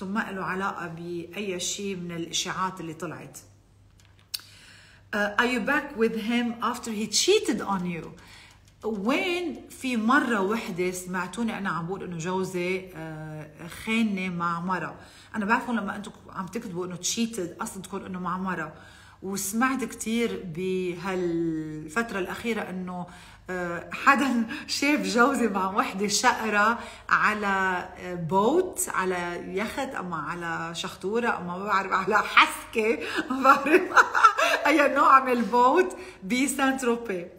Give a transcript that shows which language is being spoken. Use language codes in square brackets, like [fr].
[ar] So ما له علاقة بأي شيء من الإشاعات اللي طلعت. [en] Are you back with him after he cheated on you? [ar] وين في مرة واحدة سمعتوني أنا عم بقول إنه جوزي خانني مع مرة؟ أنا بعرفه لما أنتم عم تكتبوا إنه cheated قصدكم إنه مع مرة. وسمعت كتير بهالفترة الأخيرة إنه حدا شاف جوزي مع وحدة شقرة على بوت، على يخت أما على شخطورة أما ما بعرف، على حسكة ما بعرف أي نوع من البوت بسانتروبي.